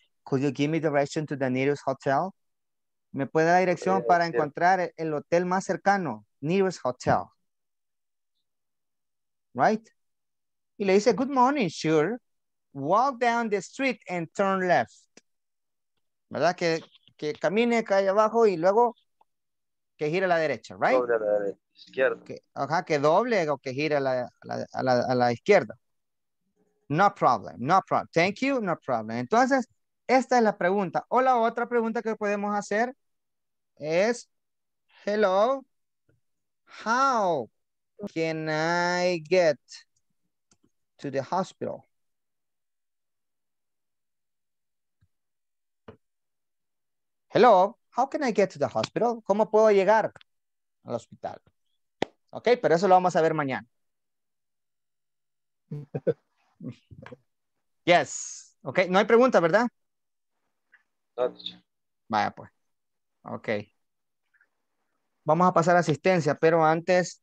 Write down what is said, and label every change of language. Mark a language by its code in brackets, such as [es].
[en] Could you give me direction to the nearest hotel? [es] ¿Me puede dar dirección para encontrar el hotel más cercano? [en] Nearest hotel. Right? [es] Y le dice, [en] good morning, sure. Walk down the street and turn left. [es] ¿Verdad? Que camine calle abajo y luego que gire a la derecha, [en] right? [es] Doble a la derecha. Izquierda. [en] Okay. [es] Ajá, que doble o que gire a la izquierda. [en] No problem, no problem. Thank you, no problem. [es] Entonces, esta es la pregunta. O la otra pregunta que podemos hacer es, hello, [en] how can I get to the hospital? Hello, how can I get to the hospital? [es] ¿Cómo puedo llegar al hospital? Ok, pero eso lo vamos a ver mañana. [en] Yes. [es] Ok, no hay pregunta, ¿verdad? No. Vaya pues. Ok. Vamos a pasar a asistencia, pero antes...